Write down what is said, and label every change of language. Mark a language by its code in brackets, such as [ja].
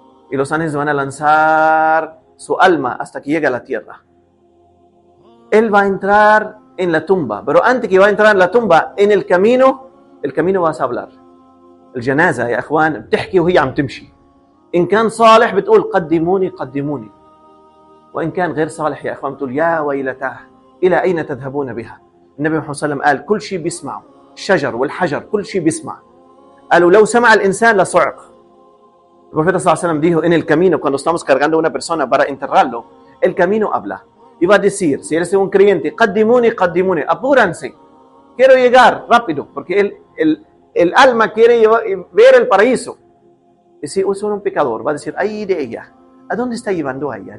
[es] Y los ángeles van a lanzar su alma hasta que llegue a la tierra. Él va a entrar en la tumba. Pero antes que va a entrar en la tumba, en el camino vas a hablar. [ar] El janaza, ya ikhwan, بتحكي وهي عم تمشي. En كان صالح بتقول قدموني قدموني. وإن كان غير صالح يا إخوان بتقول يا ويلتاه. إلى أين تذهبون بها؟ النبي محمد صلى الله عليه وسلم قال كل شيء بيسمع. الشجر والحجر كل شيء بيسمع. قالوا لو سمع الإنسان لصعق. البروفيت صلى الله عليه وسلم [es] dijo en el camino cuando estamos cargando una persona para enterrarlo el camino habla y va a decir si eres un creyente [ar] قدموني قدموني [es] apúrense quiero llegar rápido porque el alma quiere ver el paraíso y si es un pecador va a decir ay de ella ¿a dónde está llevando a ella?